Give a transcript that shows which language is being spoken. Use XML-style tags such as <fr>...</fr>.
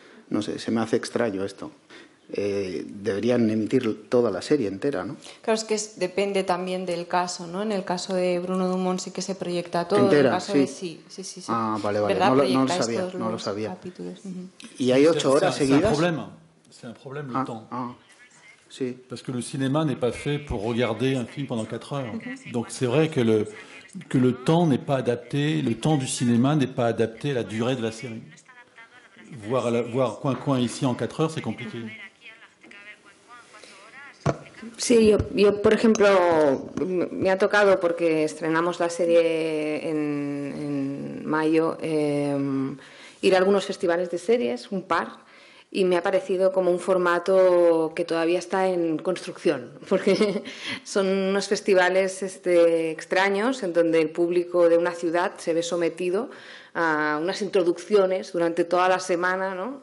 <es>No sé, se me hace extraño esto. Deberían emitir toda la serie entera, ¿no? Claro, es que depende también del caso, ¿no? En el caso de Bruno Dumont sí que se proyecta todo. ¿Entera? En el caso sí. De sí. Ah, vale. No lo sabía. Uh-huh. ¿Y hay ocho horas seguidas?</es> <fr>C'est un problème, le temps.</fr> <es>Ah, sí.</es> <fr>Parce que le cinéma n'est pas fait pour regarder un film pendant 4 heures. Donc c'est vrai que le temps n'est pas adapté, le temps du cinéma n'est pas adapté à la durée de la série. Voir coin-coin ici en 4 heures, c'est compliqué.</fr> <es>Sí, yo por ejemplo, me ha tocado porque estrenamos la serie en mayo, ir a algunos festivales de series, un par, y me ha parecido como un formato que todavía está en construcción, porque son unos festivales extraños en donde el público de una ciudad se ve sometido a unas introducciones durante toda la semana, ¿no?</es>